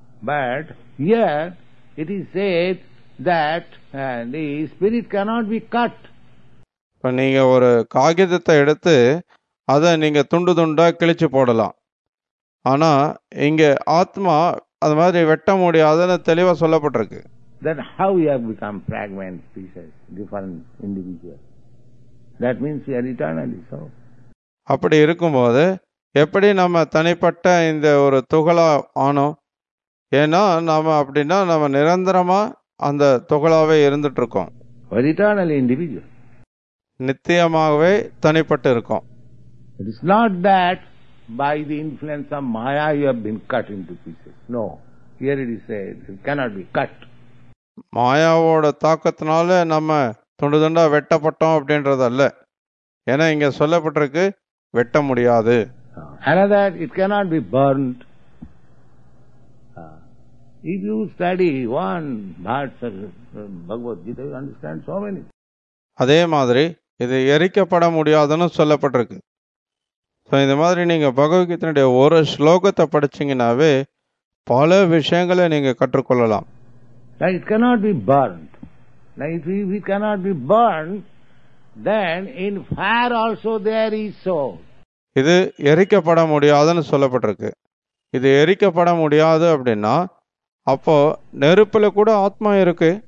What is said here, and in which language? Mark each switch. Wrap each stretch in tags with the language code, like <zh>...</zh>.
<en>But here it is said that the spirit cannot be cut.</en> <ta>இப்போ நீங்கள் ஒரு காகிதத்தை எடுத்து அதை நீங்கள் துண்டு துண்டாக கிழிச்சு போடலாம். ஆனால் இங்கே ஆத்மா அது மாதிரி வெட்ட முடியாதுன்னு தெளிவாக சொல்லப்பட்டிருக்கு.</ta> <en>Then how we have become fragments, pieces, different individuals? That means we are eternally so.</en> <ta>அப்படி இருக்கும்போது எப்படி நம்ம தனிப்பட்ட இந்த ஒரு துகளா ஆனோம்? ஏன்னா நாம அப்படின்னா நம்ம நிரந்தரமா அந்த துகளாவே இருந்துட்டு இருக்கோம்.</ta> <en>individual,</en> <ta>நித்தியமாகவே தனிப்பட்டு இருக்கோம்.</ta> <en>It is not that by the influence of maya you have been cut into pieces. No, here it is said it cannot be cut.</en> <ta>மாயாவோட தாக்கத்தினால நம்ம துண்டு துண்டா வெட்டப்பட்டோம் அப்படின்றது அல்ல. ஏன்னா இங்க சொல்லப்பட்டிருக்கு வெட்ட முடியாது.</ta> <en>Another, it cannot be burned. If you study one verse of Bhagavad Gita, you understand so many.</en> <ta>அதே மாதிரி இது எரிக்கப்பட முடியாதுன்னு சொல்லப்பட்டிருக்கு. ஸோ இந்த மாதிரி நீங்கள் பகவத்கீதனுடைய ஒரு ஸ்லோகத்தை படிச்சீங்கன்னாவே பல விஷயங்களை நீங்கள் கற்றுக்கொள்ளலாம்.</ta> <en>Now it cannot be burned. Now if it cannot be burned, then in fire also there is soul.</en> <ta>இது எரிக்கப்பட முடியாதுன்னு சொல்லப்பட்டிருக்கு. இது எரிக்கப்பட முடியாது அப்படின்னா அப்போ நெருப்புல கூட ஆத்மா இருக்கு.</ta>